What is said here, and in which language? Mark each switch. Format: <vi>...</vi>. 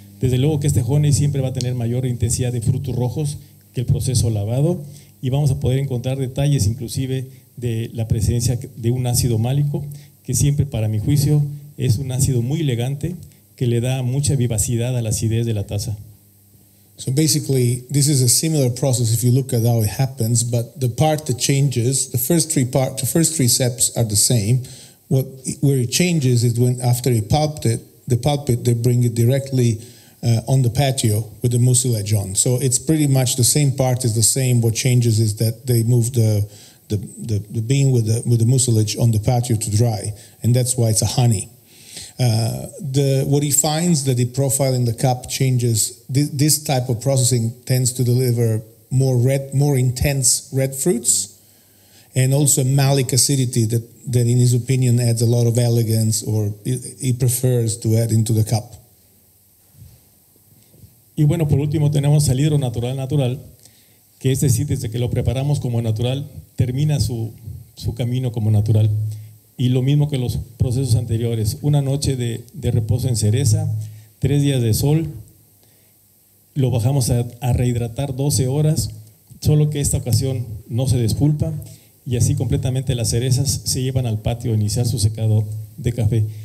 <es>Desde luego que este honey siempre va a tener mayor intensidad de frutos rojos que el proceso lavado, y vamos a poder encontrar detalles inclusive de la presencia de un ácido málico, que siempre para mi juicio es un ácido muy elegante que le da mucha vivacidad a la acidez de la taza.</es> <en>So basically, this is a similar process if you look at how it happens, but the part that changes, the first three steps are the same. Where it changes is when after he pulped it, they bring it directly on the patio with the mucilage on. So it's pretty much the same part is the same. What changes is that they move the bean with the mucilage on the patio to dry, and that's why it's a honey. What he finds that the profile in the cup changes, this type of processing tends to deliver more intense red fruits and also malic acidity that in his opinion adds a lot of elegance, or he prefers to add into the cup.</en> <es>Y bueno, por último tenemos el hidro natural, que es decir, desde que lo preparamos como natural, termina su camino como natural. Y lo mismo que los procesos anteriores, una noche de reposo en cereza, 3 días de sol, lo bajamos a rehidratar 12 horas, solo que esta ocasión no se despulpa, y así completamente las cerezas se llevan al patio a iniciar su secado de café.</es>